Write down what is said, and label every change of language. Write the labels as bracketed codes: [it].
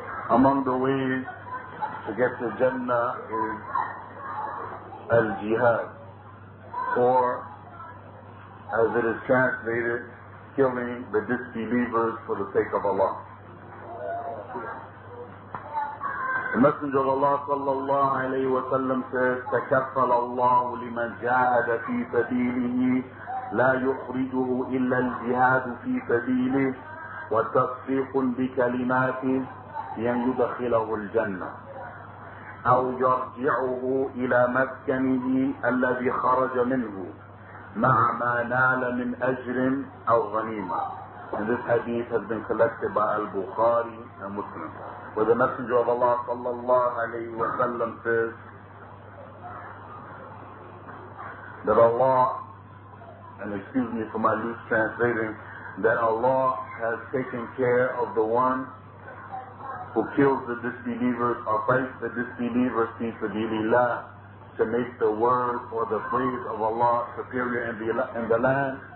[en] Among the ways to get to Jannah is Al-Jihad, or as it is translated, killing the disbelievers for the sake of Allah. The Messenger of Allah sallallahu alayhi wa sallam says, [ar] تَكَفَّلَ اللَّهُ لِمَنْ جَاهَدَ فِي سَبِيلِهِ لَا يُخْرِجُهُ إِلَّا الْجِهَادُ فِي سَبِيلِهِ وَتَصْفِيقٌ بِكَلِمَاتِهِ لِأَنْ يُدَخِلَهُ الْجَنَّةِ أَوْ يَرْجِعُهُ إِلَى مَسْكَنِهِ الَّذِي خَرَجَ مِنْهُ مَعَ مَا نَالَ مِنْ أَجْرٍ أَوْ غَنِيمًا. [en] And this hadith has been collected by Al-Bukhari and Muslim. Where the Messenger of Allah sallallahu alayhi wa sallam says that Allah, and excuse me for my loose translating, that Allah has taken care of the one who kills the disbelievers or fights the disbelievers fi sabilillah, to make the word or the praise of Allah superior in the land.